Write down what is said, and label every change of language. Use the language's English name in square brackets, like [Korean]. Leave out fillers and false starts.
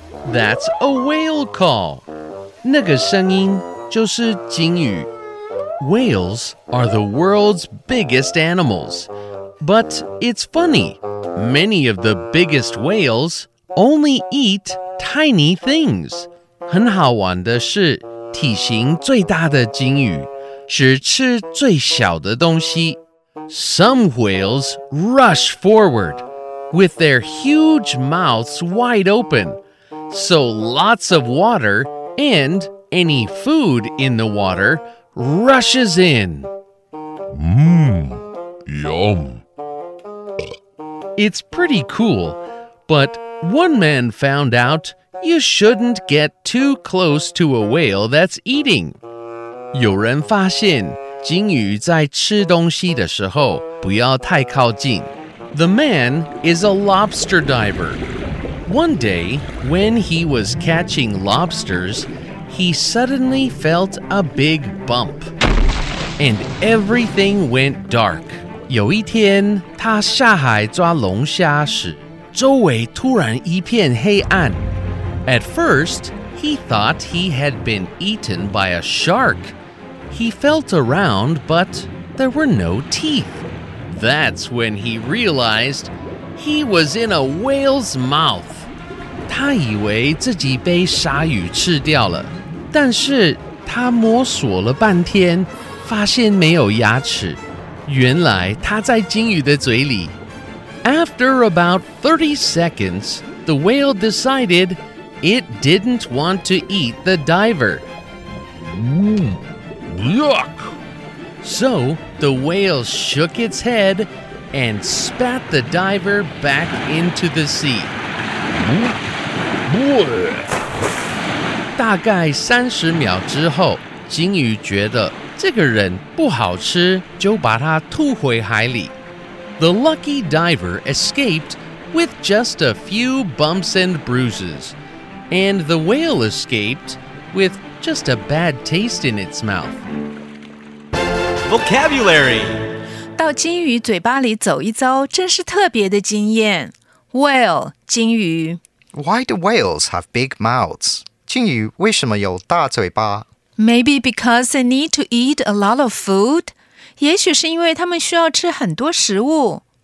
[English] That's a whale call. [Chinese] 那个声音就是鲸鱼。 [English] Whales are the world's biggest animals. But it's funny, many of the biggest whales only eat tiny things. [Chinese] 很好玩的是，体型最大的鲸鱼只吃最小的东西。 [English] Some whales rush forward with their huge mouths wide open, so lots of water and any food in the water rushes in. Yum. It's pretty cool, but one man found out you shouldn't get too close to a whale that's eating. [Chinese] 有人发现鲸鱼在吃东西的时候不要太靠近。 [English] The man is a lobster diver. One day, when he was catching lobsters, he suddenly felt a big bump. And everything went dark. [Chinese] 有一天他下海抓龙虾时周围突然一片黑暗。 [English] At first, he thought he had been eaten by a shark. He felt around, but there were no teeth. That's when he realized he was in a whale's mouth. [Chinese] 他以为自己被鲨鱼吃掉了，但是他摸索了半天，发现没有牙齿。原来他在鲸鱼的嘴里。 [English] After about 30 seconds, the whale decided it didn't want to eat the diver. Yuck! So the whale shook its head and spat the diver back into the sea. Boy! [Chinese] 大概三十秒之后，鲸鱼觉得这个人不好吃，就把他吐回海里。 [English] The lucky diver escaped with just a few bumps and bruises, and the whale escaped with just a bad taste in its mouth. Vocabulary. [Chinese] 到鲸鱼嘴巴里走一遭，真是特别的经验。 [English] Whale, 鲸鱼。 Why do whales have big mouths? [Chinese] 鲸鱼为什么有大嘴巴？ [English] Maybe because they need to eat a lot of food. [Chinese] 也许是因为他们需要吃很多食物。